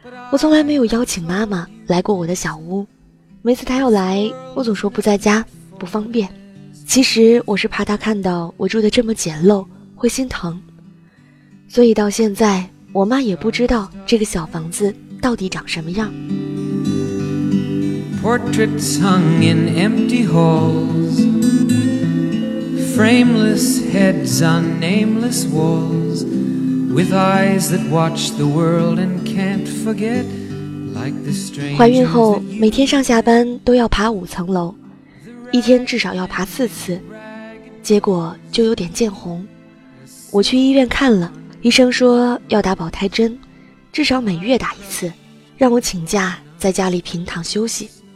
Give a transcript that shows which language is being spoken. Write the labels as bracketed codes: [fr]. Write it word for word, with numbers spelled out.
[zh] 我从来没有邀请妈妈来过我的小屋，每次她要来我总说不在家不方便。其实我是怕她看到我住得这么简陋会心疼，所以到现在我妈也不知道这个小房子到底长什么样。 [en] Portraits hung in empty halls, Frameless heads on nameless walls, With eyes that watch the world and can't forget, Like the strangers. [zh] 怀孕后每天上下班都要爬五层楼，一天至少要爬四次，结果就有点见红。我去医院看了，医生说要打保胎针，至少每月打一次，让我请假在家里平躺休息。